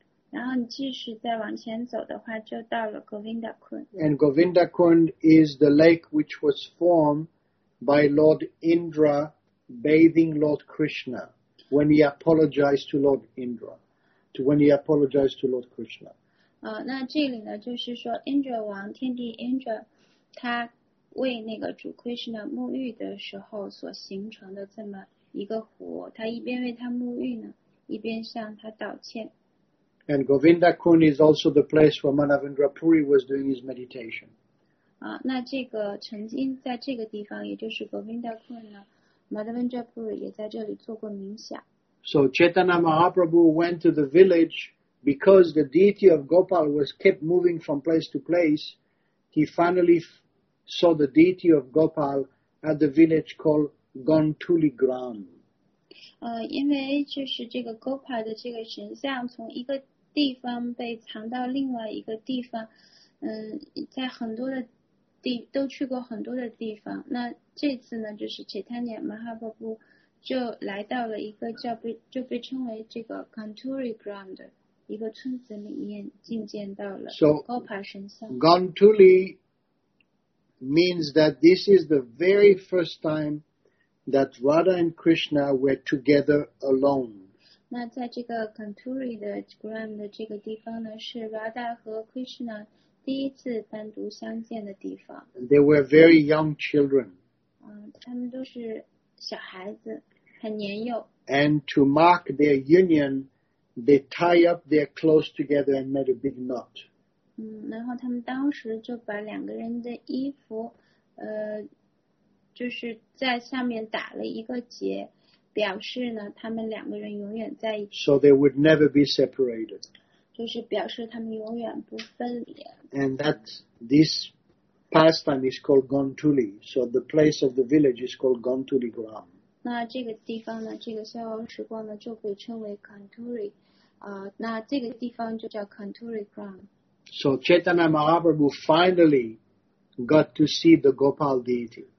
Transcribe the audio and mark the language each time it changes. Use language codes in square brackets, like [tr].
[zh] 然后你继续再往前走的话，就到了 Govindakund. [en] And Govindakund is the lake which was formed by Lord Indra bathing Lord Krishna when he apologized to Lord Indra, to when he apologized to Lord Krishna. [zh] 那这里呢，就是说 Indra 王天帝 Indra， 他为那个主 Krishna 沐浴的时候所形成的这么一个湖，他一边为他沐浴呢，一边向他道歉。 [en] And Govinda Kund is also the place where Manavendra Puri was doing his meditation. [zh] 啊，那这个曾经在这个地方，也就是 Govinda Kund 呢 ，Manavendra Puri 也在这里做过冥想。 [en] So Chaitanya Mahaprabhu went to the village because the deity of Gopal was kept moving from place to place. He finally saw the deity of Gopal at the village called Gontuli Gram. [zh] 因为就是这个 Gopal 的这个神像从一个地方被藏到另外一个地方，在很多的地都去过很多的地方。那这次呢，就是 Chaitanya Mahaprabhu就来到了一个叫就被称为这个 Gontuli Gram 的一个村子里面，觐见到了 Gopal 神像。 [en] So, Gontuli means that this is the very first time that Radha and Krishna were together alone. [zh] 那在这个 Gontuli 的 Gram 的这个地方呢，是 Radha 和 Krishna 第一次单独相见的地方。 [en] They were very young children. [zh] 他们都是小孩子，很年幼。 [en] And to mark their union, they tie up their clothes together and made a big knot. [zh] 然后他们当时就把两个人的衣服，就是在下面打了一个结，表示呢他们两个人永远在一起。 [en] So they would never be separated. [zh] 就是表示他们永远不分离。 [en] And that this pastime is called Gontuli. So the place of the village is called Gontuli Gram. [zh] 那这个地方呢，这个逍遥时光呢，就被称为 Gontuli。那这个地方就叫 Gontuli Gram。 [en] So Chaitanya Mahaprabhu finally got to see the Gopal deity.